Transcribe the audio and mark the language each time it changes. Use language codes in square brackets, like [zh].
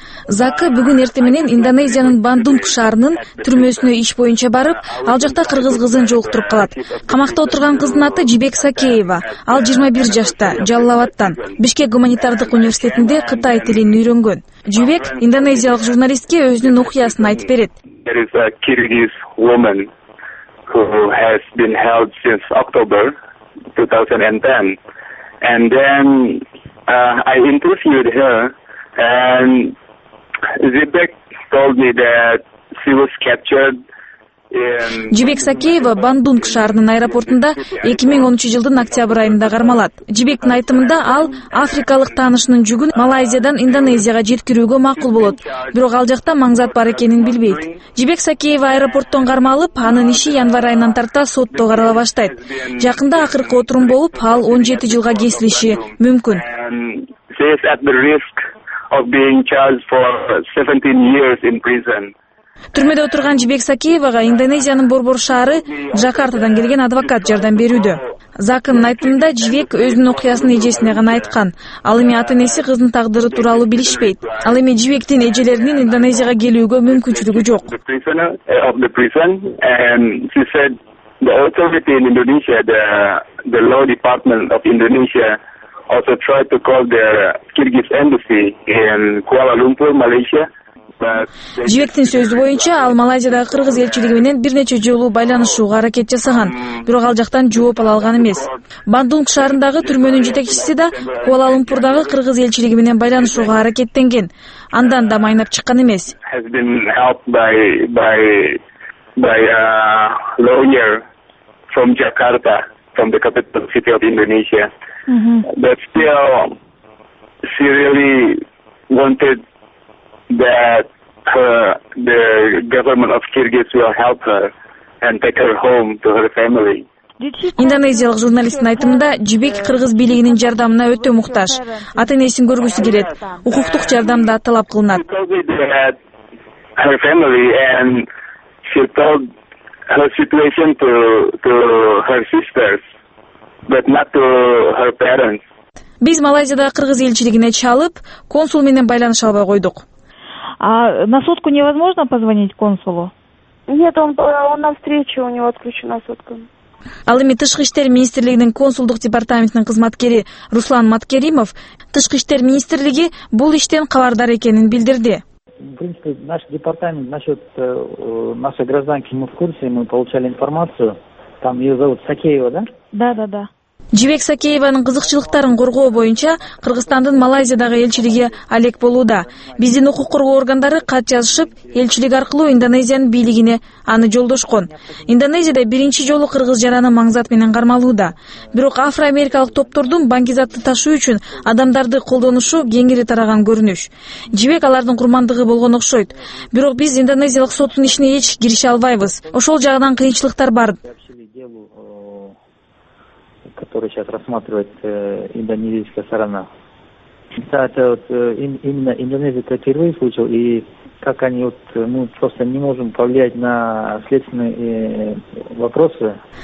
[ky] Закы бүгүн эрте менен Индонезиянын Бандунг шаарынын түрмөсүнө иш боюнча барып, ал жакта кыргыз кызын жолуктуруп калат. Камакта отурган кыздын аты Жибек Сакеева. Ал 21 жашта, Жалал-Абадтан, Бишкек гуманитардык университетинде Кытай тилин үйрөнгөн. Жибек индонезиялык журналистке өзүнүн окуясын айтып берет. [en] There is a Kyrgyz woman who has been held since October 2010 and then I interviewed her and Жибек told me that she was captured in [ky] Жибек Сакеева Бандунг шаарынын аэропортунда 2013 жылдын октябрь айында кармалат. Жибектин айтымында ал африкалык таанышынын жүгүн Малайзиядан Индонезияга жеткирүүгө макул болот, бирок ал жакта Маңзат бар экенин билбейт. Жибек Сакеева аэропорттон кармалып, анын иши январь айынан тарта сотто карала баштайт. Жакында акыркы отурум болуп, ал 17 жылга кесилиши мүмкүн. [en] She is at the risk of being charged for 17 years in prison. [ky] Түрмөдө отурган Жибек Сакеевага Индонезиянын Борбор шаары Жакартадан келген адвокат жардам берүүдө. Закынын айтымында Жибек өзүнүн окуясын эжесине гана айткан. Ал эми ата-энеси кыздын тагдыры тууралуу билишпейт. Ал эми Жибектин эжелеринин Индонезияга келүүгө мүмкүнчүлүгү жок. [en] And she said the authority in Indonesia, the law department of Indonesia also tried to call their Kyrgyz embassy in Kuala Lumpur, Malaysia. [ky] Жибектин сөзү боюнча, ал Малайзиядагы кыргыз элчилиги менен бир нече жолу байланышууга аракет жасаган, бирок ал жактан жооп ала алган эмес. Бандунг шаарындагы түрмөнүн жетекчиси да Куала-Лумпурдагы кыргыз элчилиги менен байланышууга аракеттенген, андан да майнап чыккан эмес. [en] By a lawyer from Jakarta, from the capital city of Indonesia. But still, she really wanted that the government of Kyrgyz will help her and take her home to her family. [ky] Индонезиялык журналисттин айтымында Жибек кыргыз бийлигинин жардамына өтө муктаж. Ата-энесин көргүсү келет. Укуктук жардам да талап кылынат. [en] Her family and she told her situation to her sisters but not to her parents. [ky] Биз Малайзияда кыргыз элчилигине чалып, консул менен байланыша албай койдук. [ru] А на сотку невозможно позвонить консулу? Нет, он на встрече, у него отключена сотка. [ky] Ал эми тышкы иштер министрлигинин консулдук департаментинин кызматкери Руслан Маткеримов тышкы иштер министрлиги бул иштен кабардар экенин билдирди. [ru] В принципе, наш департамент насчет нашей гражданки, мы в курсе, мы получали информацию. Там ее зовут Сакеева, да? Да. [ky] Жибек Сакеевнин кызыкчылыктарын коргоо боюнча Кыргызстандын Малайзиядагы элчилиги алек болууда. Биздин укук коргоо органдары кат жазышып, элчилик аркылуу Индонезиянын бийлигине аны жолдошкон. Индонезияда биринчи жолу кыргыз жараны Маңзат менен кармалууда. Бирок афроамерикалык топтордун баңгизатты ташуу үчүн адамдарды колдонушу кеңири тараган көрүнүш. Жибек алардын курмандыгы болгон окшойт. Бирок биз Индонезиялык соттун ишине эч кирише албайбыз. Ошол жагынан кыйынчылыктар бар. [ru] который сейчас рассматривает индонезийская сторона. Да, это вот именно Индонезия, это первый случай, и как они вот, ну, просто не можем повлиять на следственные вопросы.